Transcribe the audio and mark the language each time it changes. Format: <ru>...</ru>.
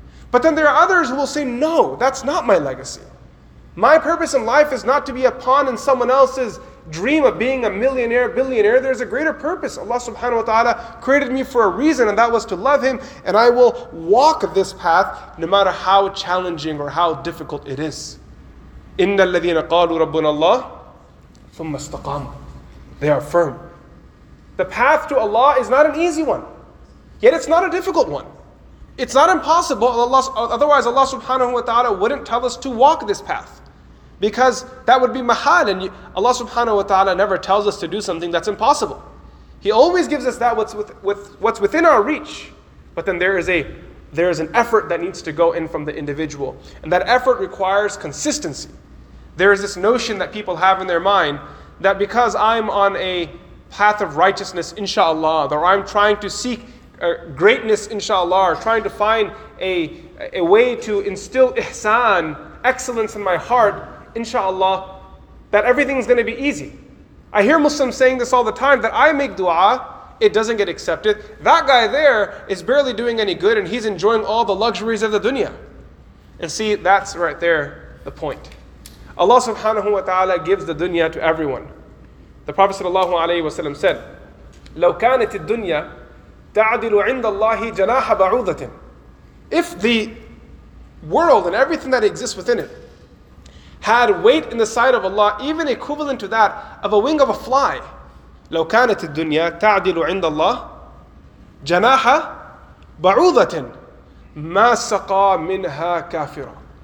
<en>But then there are others who will say, no, that's not my legacy. My purpose in life is not to be a pawn in someone else's dream of being a millionaire, billionaire. There's a greater purpose. Allah subhanahu wa ta'ala created me for a reason, and that was to love Him. And I will walk this path no matter how challenging or how difficult it is.</en> <ar>إِنَّ الَّذِينَ قَالُوا رَبُّنَ اللَّهِ ثُمَّ اسْتَقَامُوا.</ar> <en>They are firm. The path to Allah is not an easy one. Yet it's not a difficult one. It's not impossible. Otherwise Allah subhanahu wa ta'ala wouldn't tell us to walk this path. Because that would be mahal. And Allah subhanahu wa ta'ala never tells us to do something that's impossible. He always gives us that what's within our reach. But then there is an effort that needs to go in from the individual. And that effort requires consistency. There is this notion that people have in their mind that because I'm on a path of righteousness, inshallah, or I'm trying to seek greatness, inshallah, or trying to find a way to instill ihsan, excellence in my heart, inshallah, that everything's going to be easy. I hear Muslims saying this all the time, that I make dua, it doesn't get accepted. That guy there is barely doing any good and he's enjoying all the luxuries of the dunya. And see, that's right there the point. Allah subhanahu wa ta'ala gives the dunya to everyone. The Prophet sallallahu alayhi wa sallam said,</en> <ar>لَوْ كَانَتِ الدُّنْيَا تَعْدِلُ عِنْدَ اللَّهِ جَنَاحَ بَعُوذَةٍ.</ar> <en>If the world and everything that exists within it had weight in the sight of Allah, even equivalent to that of a wing of a fly,</en> <ar>لَوْ كَانَتِ الدُّنْيَا تَعْدِلُ عِنْدَ اللَّهِ جَنَاحَ بَعُوذَةٍ مَا سَقَى مِنْهَا كَافِرًا.</ar>